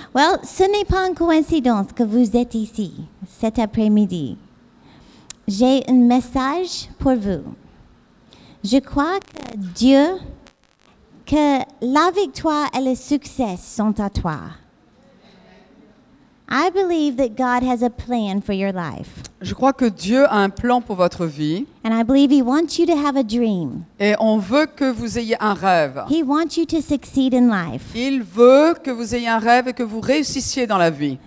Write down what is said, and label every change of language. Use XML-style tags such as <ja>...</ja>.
<fr>Well, ce n'est pas une coïncidence que vous êtes ici cet après-midi. J'ai un message pour vous. Je crois que Dieu, que la victoire et le succès sont à toi.</fr> <en>I believe that God has a plan for your life.</en> <fr>Je crois que Dieu a un plan pour votre vie.</fr> <en>And I believe he wants you to have a dream.</en> <fr>Et on veut que vous ayez un rêve.</fr> <en>He wants you to succeed in life.</en> <fr>Il veut que vous ayez un rêve et que vous réussissiez dans la vie.</fr>